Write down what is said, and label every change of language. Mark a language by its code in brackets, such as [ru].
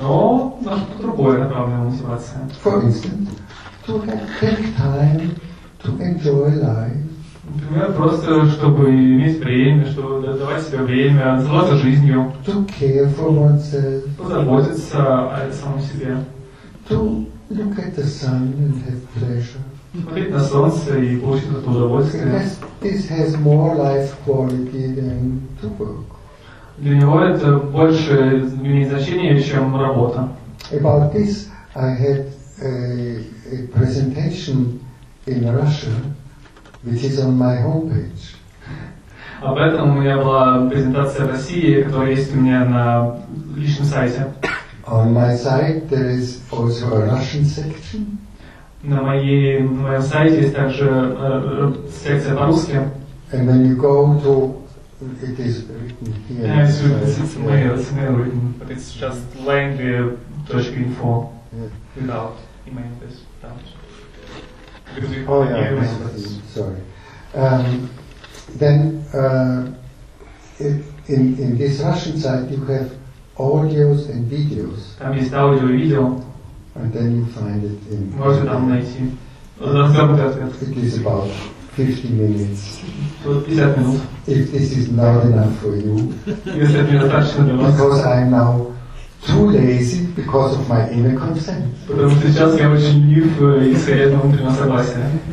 [ru] Но на что-то другое направлена мотивация. [en] For instance, to have time to enjoy life. [ru] Например, просто чтобы иметь время, чтобы давать себе время, заниматься жизнью. [en] To care for oneself. [ru] Позаботиться о самом себе. [en] To look at the sun and have pleasure. [ru] Смотреть на солнце и получить это удовольствие. [en] This has more life quality than to work. [ru] Для него это больше имеет значение, чем работа. [en] About this, I had a presentation in Russia, which is on my homepage. [ru] Об этом у меня была презентация в России, которая есть у меня на личном сайте. [en] On my site there is also a Russian section. [ru] На моем сайте есть также секция по-русски. [en] And then you go to it is written here. But it's just langley.info without email this Oh yeah, sorry. Then in this Russian site you have audios and videos. [ru] Там есть аудио и видео. [en] And then you find it in. [ru] Можно там найти. [en] It is about 50 minutes. [ru] 50 минут. [en] If this is not enough for you. [ru] Если это недостаточно для вас. [en] Because I'm now too lazy because of my inner consent. [ru] Потому что сейчас я очень ленив и скорее на внутреннее согласие.